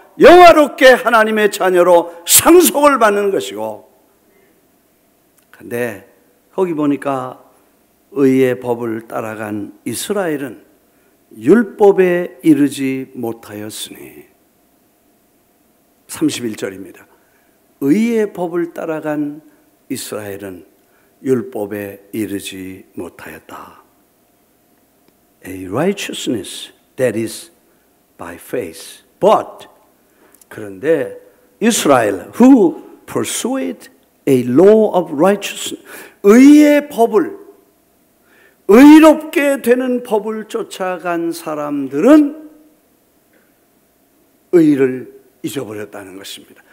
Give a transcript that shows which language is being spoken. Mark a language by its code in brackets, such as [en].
[ko] 영화롭게 하나님의 자녀로 상속을 받는 것이고, 근데 거기 보니까 의의 법을 따라간 이스라엘은 율법에 이르지 못하였으니, 31절입니다. 의의 법을 따라간 이스라엘은 율법에 이르지 못하였다. [en] A righteousness that is by faith. But, [ko] 그런데 [en] Israel who pursued a law of righteousness, [ko] 의의 법을, 의롭게 되는 법을 쫓아간 사람들은 의의를 잊어버렸다는 것입니다.